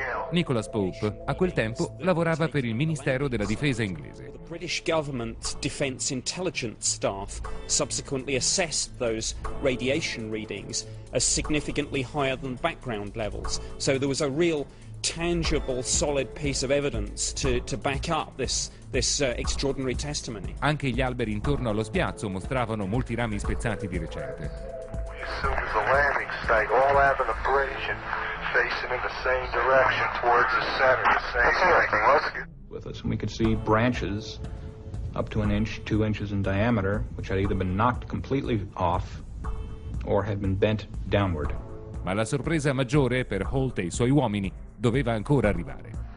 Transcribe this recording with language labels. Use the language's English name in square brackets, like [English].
[Italian] Nicholas Pope a quel tempo lavorava per il Ministero della Difesa inglese. [English] The British Government's Defence Intelligence staff subsequently assessed those radiation readings as significantly higher than background levels. So there was a real tangible, solid piece of evidence to back up this extraordinary testimony. [Italian] Anche gli alberi intorno allo spiazzo mostravano molti rami spezzati di recente. [English] With us, and we could see branches up to an inch, 2 inches in diameter, which had either been knocked completely off or had been bent downward. [Italian] Ma la sorpresa maggiore per Holt e i suoi uomini doveva ancora arrivare.